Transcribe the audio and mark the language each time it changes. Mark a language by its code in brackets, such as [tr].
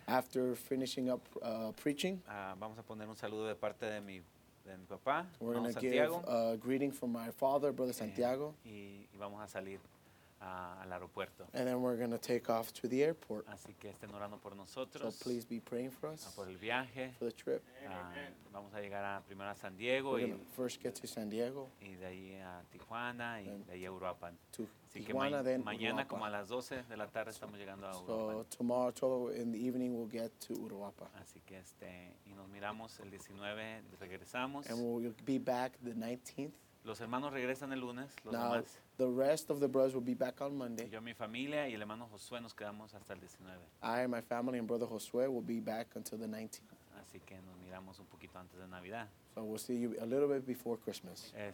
[en] After finishing up preaching. [es] Vamos a poner un saludo de parte de mi papá, [en] We're going to give a greeting from my father, Brother Santiago. [es] Y vamos a salir, al aeropuerto. [en] And then we're going to take off to the airport. [es] Así que estén orando por nosotros. [en] So please be praying for us. [es] Por el viaje. [en] For the trip. [es] Vamos a llegar primero a San Diego. [en] We're going to first get to San Diego. [es] Y de ahí a Tijuana y de ahí a Uruapan. [en] To [es] Así [en] Tijuana, [es] que [en] then [es] mañana [en] Uruapan. [es] Como a las 12 de la tarde estamos llegando a Uruapan. [en] So tomorrow, 12 in the evening, we'll get to Uruapan. [es] Así que y nos miramos el 19, regresamos. [en] And we'll be back the 19th. [es] Los hermanos regresan el lunes. [en] The rest of the brothers will be back on Monday. [es] Yo, mi familia y el hermano Josué nos quedamos hasta el 19. [en] I and my family and brother Josué will be back until the 19th. [es] Así que nos miramos un poquito antes de Navidad. [en] So we'll see you a little bit before Christmas.